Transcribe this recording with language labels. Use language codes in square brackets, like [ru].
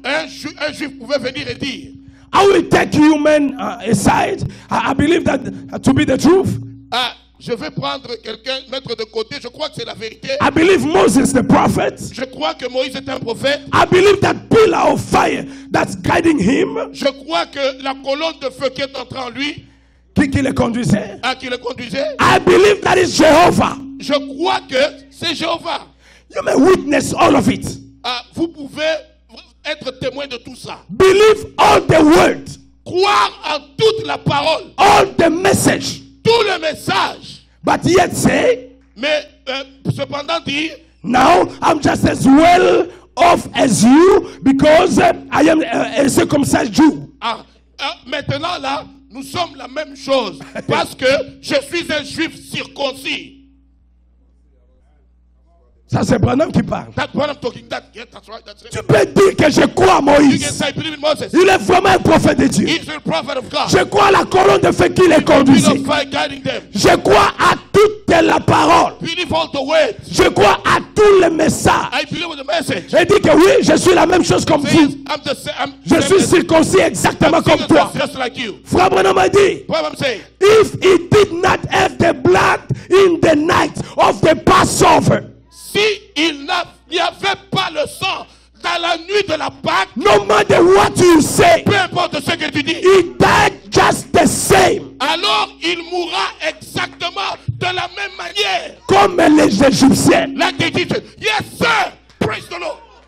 [fr] Un Juif pouvait venir et dire. [en] I will take you men aside. I believe that to be the truth. [fr] Je vais prendre quelqu'un, mettre de côté. Je crois que c'est la vérité. [en] I believe Moses the prophet. [fr] Je crois que Moïse est un prophète. [en] I believe that pillar of fire that's guiding him. [fr] Je crois que la colonne de feu qui est entrée en lui. Qui le conduisait? Ah, qui le conduisait? [en] I believe that is Jehovah. [fr] Je crois que c'est Jéhovah. [en] You may witness all of it. [fr] Ah, vous pouvez être témoin de tout ça. [en] Believe all the words. [fr] Croire en toute la parole. [en] All the message. [fr] Tout le message. [en] But yet say. [fr] Mais cependant dire. [en] Now I'm just as well off as you because I am a circumcised Jew. [fr] Maintenant là, nous sommes la même chose parce que je suis un Juif circoncis. Ça c'est Branham qui parle. [en] That's what I'm talking. That's right. [fr] Tu peux dire que je crois à Moïse. [en] You can say, I believe in Moses. [fr] Il est vraiment un prophète de Dieu. [en] He's a prophet of God. [fr] Je crois à la colonne de feu qui les conduit. Je crois à toute la parole. [en] Believe all the words. [fr] Je crois à tous les messages. [en] I believe the message. [fr] Je dis que oui, je suis la même chose comme vous. Je suis circoncis exactement comme toi. [en] Just like you. [fr] Frère Branham a dit. [en] What I'm saying. If he did not have the blood in the night of the Passover. [fr] Si il n'y avait pas le sang dans la nuit de la Pâque, [en] no matter what you say, [fr] peu importe ce que tu dis, [en] he died just the same. [fr] Alors il mourra exactement de la même manière. Comme les Égyptiens. Là, tu dis, [en] yes, sir. Praise the Lord.